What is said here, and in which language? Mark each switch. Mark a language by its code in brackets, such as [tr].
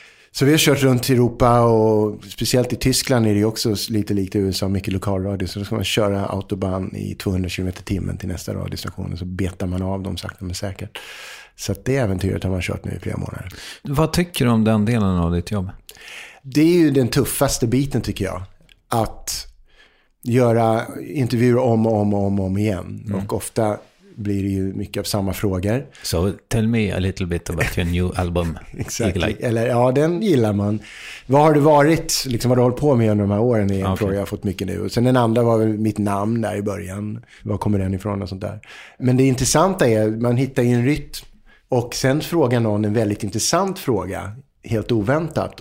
[sv] Så vi har kört runt i Europa och speciellt i Tyskland är det också lite likt i USA, mycket lokalradio. Så då ska man köra autobahn i 200 km timmen till nästa radiostation och så betar man av dem sakta men säkert. Så det äventyret har man kört nu i flera månader. Vad tycker du om den delen av ditt jobb? Det är ju den tuffaste biten tycker jag. Att göra intervjuer om och om och om, och om igen. Mm. Och ofta blir det ju mycket av samma frågor. [en] So tell me a little bit about your new album. [sv] Exactly. Eller, ja, den gillar man. Vad har du varit? Liksom, vad har du hållit på med under de här åren? Är en fråga jag har fått mycket nu. Och sen den andra var väl mitt namn där i början. Var kommer den ifrån och sånt där. Men det intressanta är att man hittar ju en rytm. Och sen frågar någon en väldigt intressant fråga, helt oväntat.